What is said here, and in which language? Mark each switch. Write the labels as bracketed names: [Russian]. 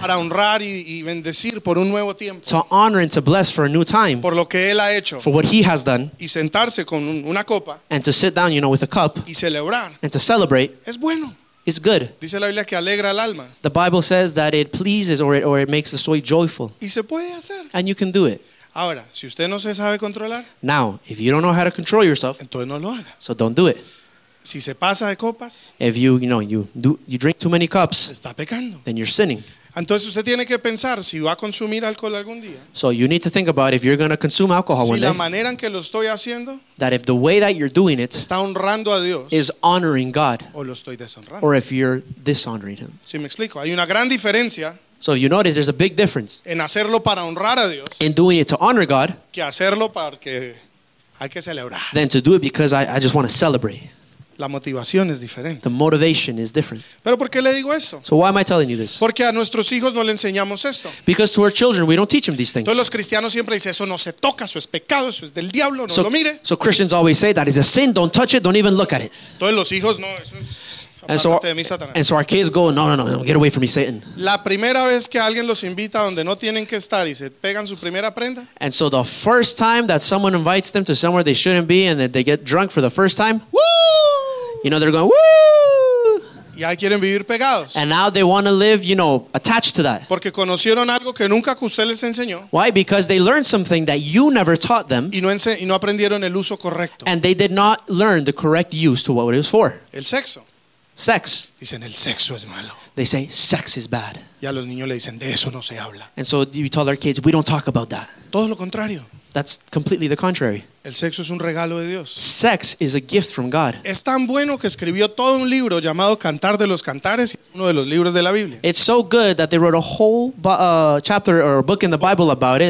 [Spanish] Para honrar y bendecir por un nuevo tiempo. [English] To honor and to bless for a new time. [Spanish] Por lo que Él ha hecho. [English] For what He has done. [Spanish] Y sentarse con una copa. [English] And to sit down, you know, with a cup. [Spanish] Y celebrar. [English] And to celebrate. [Spanish] Es bueno. [English] It's good. [Spanish] Dice la Biblia que alegra el alma. [English] The Bible says that it pleases or it makes the soul joyful. [Spanish] Y se puede hacer. [English] And you can do it. [Spanish] Ahora, si usted no se sabe controlar, [English] now, if you don't know how to control yourself, [Spanish] entonces no lo haga. [English] So don't do it. [Spanish] Si se pasa de copas, [English] if you, you know, you drink too many cups, [Spanish] está pecando. [English] Then you're sinning. [Spanish] Entonces usted tiene que pensar si va a consumir alcohol algún día. [English] So you need to think about if you're going to consume alcohol [Spanish] si [English] one day. [Spanish] Si la manera en que lo estoy haciendo, [English] that if the way that you're doing it [Spanish] está honrando a Dios, [English] is honoring God, [Spanish] o lo estoy deshonrando. [English] Or if you're dishonoring Him. [Spanish] Si me explico, hay una gran diferencia. [English] So you notice there's a big difference [Spanish] en hacerlo para honrar a Dios, [English] in doing it to honor God, [Spanish] que hacerlo porque hay que celebrar. [English] Than to do it because I just want to celebrate. [Spanish] La motivación es diferente. [English] The motivation is different. [Spanish] ¿Pero por qué le digo eso? [English] So why am I telling you this? [Spanish] Porque a nuestros hijos no le enseñamos esto. [English] Because to our children we don't teach them these things. [Spanish] Todos los cristianos siempre dicen eso no se toca, eso es pecado, eso es del diablo, no [English] so, [Spanish] lo mire. [English] So Christians always say that is a sin, don't touch it, don't even look at it. [Spanish] Todos los hijos no, eso es. [English] And so our kids go, no, get away from me, Satan. [Spanish] La primera vez que alguien los invita donde no tienen que estar y se pegan su primera prenda. [English] And so the first time that someone invites them to somewhere they shouldn't be and that they get drunk for the first time, woo! You know they're going, woo! [Spanish] Ya quieren vivir pegados. [English] And now they want to live, you know, attached to that. [Spanish] Porque conocieron algo que nunca usted les enseñó. [English] Why? Because they learned something that you never taught them. [Spanish] Y no aprendieron el uso correcto. [English] And they did not learn the correct use to what it was for. [Spanish] El sexo. [English] Sex. [Spanish] Dicen, el sexo es malo. [English] They say sex is bad. [Spanish] Y a los niños le dicen, de eso no se habla. [English] And so you tell our kids, we don't talk about that. [Spanish] Todo lo contrario. [English] That's completely the contrary. [Spanish] El sexo es un regalo de Dios. [English] Sex is a gift from God. [Spanish] Es tan bueno que escribió todo un libro llamado Cantar de los Cantares, uno de los libros de la Biblia. [English] It's so good that they wrote a whole chapter or book in the Bible about it.